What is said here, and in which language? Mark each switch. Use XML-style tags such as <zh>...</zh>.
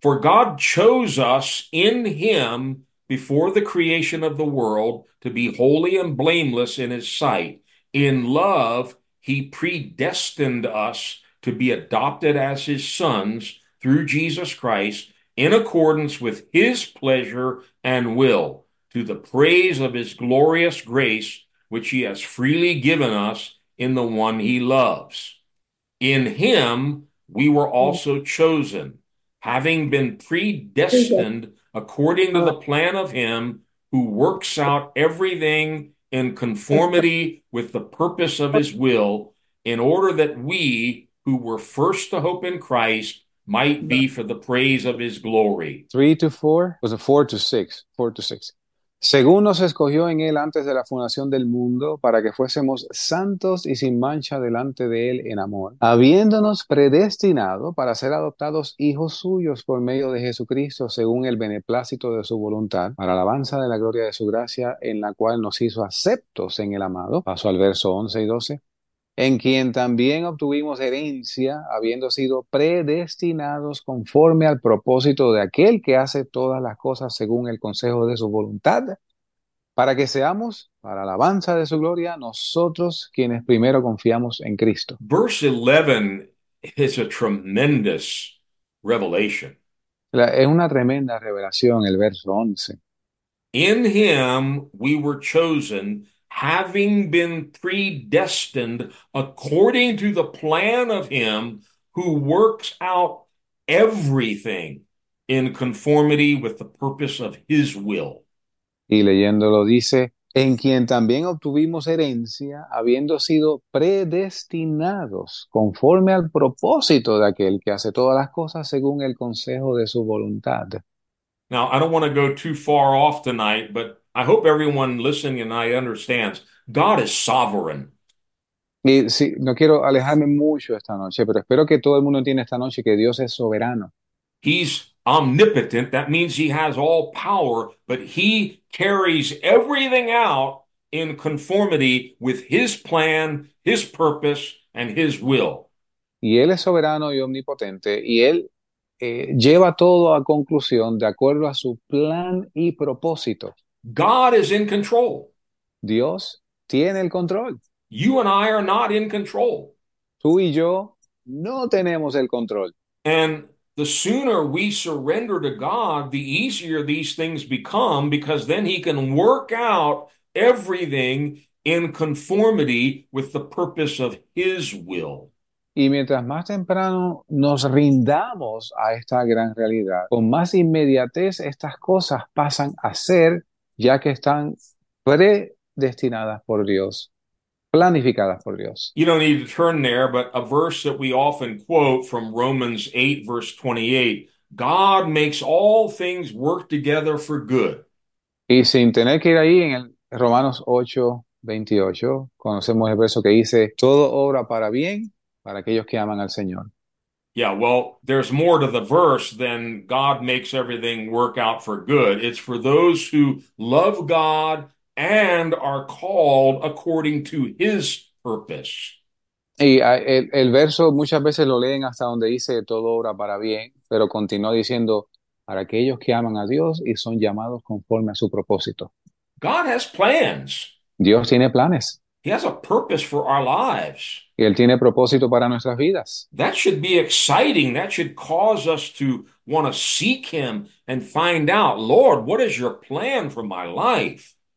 <en>For God chose us in Him before the creation of the world to be holy and blameless in His sight. In love, He predestined us to be adopted as His sons through Jesus Christ in accordance with His pleasure and will, to the praise of His glorious grace, which He has freely given us in the one He loves. In Him, we were also chosen, having been predestined according to the plan of Him who works out everything in conformity with the purpose of His will, in order that we, who were first to hope in Christ, might be for the praise of His glory. 3 to 4 was a 4 to 6, 4 to 6.</en> <es>Según nos escogió en él antes de la fundación del mundo, para que fuésemos santos y sin mancha delante de él en amor, habiéndonos predestinado para ser adoptados hijos suyos por medio de Jesucristo, según el beneplácito de su voluntad, para alabanza de la gloria de su gracia, en la cual nos hizo aceptos en el amado. Paso al verso 11 y 12. En quien también obtuvimos herencia, habiendo sido predestinados conforme al propósito de aquel que hace todas las cosas según el consejo de su voluntad, para que seamos, para alabanza de su gloria, nosotros quienes primero confiamos en Cristo.</es> <en>Verse 11 is a tremendous revelation.</en> <es>Es una tremenda revelación el verso 11.</es> <en>In Him we were chosen, having been predestined according to the plan of Him who works out everything in conformity with the purpose of His will.</en> <es>Y leyéndolo dice, en quien también obtuvimos herencia, habiendo sido predestinados conforme al propósito de aquel que hace todas las cosas según el consejo de su voluntad.</es> <en>Now, I don't want to go too far off tonight, but I hope everyone listening tonight understands God is sovereign.</en> <es>Y sí, no quiero alejarme mucho esta noche, pero espero que todo el mundo entienda esta noche que Dios es soberano.</es> <en>He's omnipotent. That means he has all power, but he carries everything out in conformity with his plan, his purpose, and his will.</en> <es>Y Él es soberano y omnipotente, y Él lleva todo a conclusión de acuerdo a su plan y propósito.</es> <en>God is in control.</en> <es>Dios tiene el control.</es> <en>You and I are not in control.</en> <es>Tú y yo no tenemos el control.</es> <en>And the sooner we surrender to God, the easier these things become, because then He can work out everything in conformity with the purpose of His will.</en> <es>Y mientras más temprano nos rindamos a esta gran realidad, con más inmediatez estas cosas pasan a ser, ya que están predestinadas por Dios, planificadas por Dios.</es> <en>You don't need to turn there, but a verse that we often quote from Romans 8, verse 28, God makes all things work together for good.</en> <es>Y sin tener que ir ahí en el Romanos 8, 28, conocemos el verso que dice, todo obra para bien para aquellos que aman al Señor.</es> <en>Yeah, well, there's more to the verse than God makes everything work out for good. It's for those who love God and are called according to His purpose.</en> <es>Y el verso muchas veces lo leen hasta donde dice todo obra para bien, pero continúa diciendo para aquellos que aman a Dios y son llamados conforme a su propósito.</es> <en>God has plans.</en> <es>Dios tiene planes.</es> <en>He has a purpose for our lives.</en> <es>Y él tiene propósito para nuestras vidas.</es> <en>That should be exciting. That should cause us to want to seek him and find out, Lord, what is your plan for my life?</en>